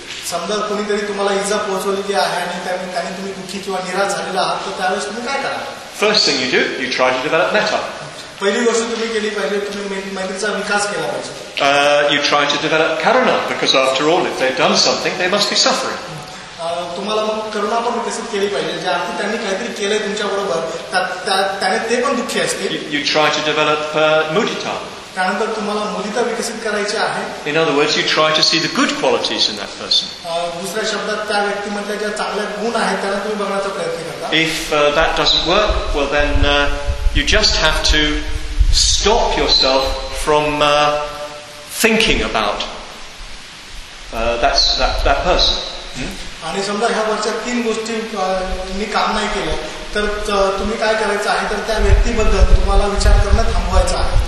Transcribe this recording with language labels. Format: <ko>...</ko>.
<mr>समजा कोणीतरी तुम्हाला इजा पोहोचवली आहे आणि त्याने तुम्ही दुःखी किंवा निराश झालेला आहात तर त्यावेळेस तुम्ही काय करा?</mr> <en>First thing you do, you try to develop metta.</en> <mr>पहिली गोष्ट तुम्ही केली पाहिजे तुम्ही मैत्रीचा विकास केला पाहिजे.</mr> <en>You try to develop karuna because after all if they've done something they must be suffering.</en> <mr>तुम्हाला मग करुणा पण विकसित केली पाहिजे ज्या अर्थी त्यांनी काहीतरी केलंय तुमच्याबरोबर त्याने ते पण दुःखी असतील.</mr> <en>You try to develop mudita.</en> <mr>त्यानंतर तुम्हाला मुदिता विकसित करायची आहे.</mr> <en>In other words, you try to see the good qualities in that person.</en> <mr>दुसऱ्या शब्दात त्या व्यक्तीमध्ये ज्या चांगल्या गुण आहेत त्यांना तुम्ही बघण्याचा प्रयत्न करता.</mr> <en>If that doesn't work, well then you just have to stop yourself from thinking about that person.</en> <mr>आणि समजा ह्या वर्षात तीन गोष्टी मी काम नाही केलं तर तुम्ही काय करायचं आहे तर त्या व्यक्तीबद्दल तुम्हाला विचार करणं थांबवायचं आहे.</mr>